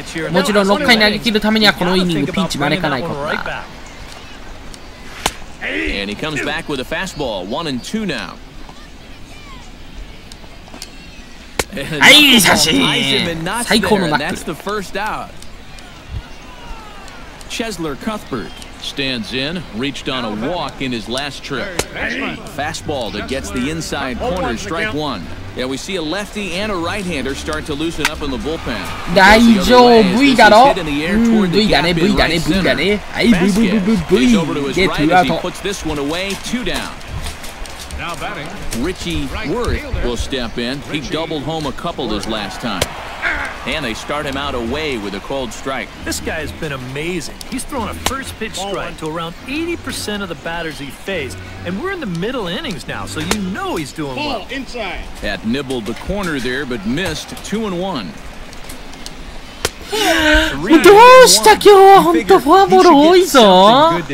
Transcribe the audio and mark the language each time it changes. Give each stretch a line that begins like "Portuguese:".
Japanese: もちろん6回投げ切るためにはこのイニングピンチ招かないことだ。
English: And he comes back with a fastball. 1-2 now. Hey,
Japanese: 写真。最高のナックル。
English: That's the first out. Chesler Cuthbert stands in, reached on a walk in his last trip. Fastball that gets the inside corner, strike one. Yeah, we see a lefty and a right-hander start to loosen up in the bullpen.
Japanese: 大丈夫だろ。V だね、 V だね、 V だね。はい、 V、 V、 V、 V、 V。で、2アウト。
English: Puts this one away, 2 down. Now batting. Richie Worth will step in. He doubled home a couple this last time. And they start him out away with a cold strike. This guy has been amazing. He's thrown a first pitch strike to around 80% of the batters he faced. And we're in the middle innings now, so you know he's doing well. Ball inside. That nibbled the corner there, but missed 2-1.
Japanese: もうどうした今日は、本当フォアボール多いぞ。